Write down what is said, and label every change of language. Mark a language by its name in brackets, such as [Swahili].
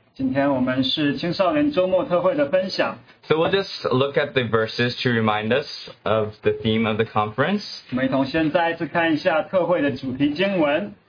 [Chinese] 今天我们是青少年周末特会的分享. [English] So we'll just look at the verses to remind us of the theme of the conference. [Chinese] 我们一同先再一次看一下特会的主题经文.